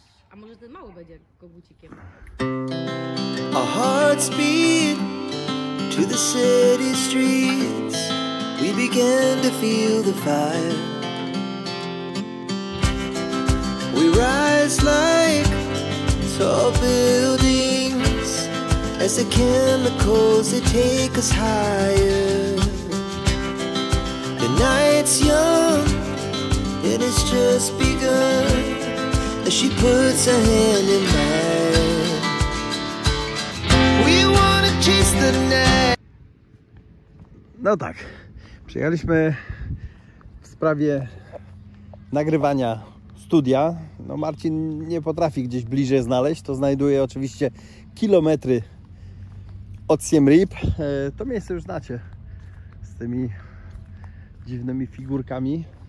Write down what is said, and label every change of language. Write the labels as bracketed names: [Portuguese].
[Polish] A może ten mały będzie kogucikiem? [English] Our hearts beat to the city streets. We begin to feel the fire. We rise like tall buildings as the chemicals they take us higher. The night's young and it's just begun as she puts her hand in mine. We wanna chase the night. [Polish] No tak, przyjechaliśmy w sprawie nagrywania studia. No Marcin nie potrafi gdzieś bliżej znaleźć. To znajduje oczywiście kilometry od Siem Reap. To miejsce już znacie z tymi dziwnymi figurkami.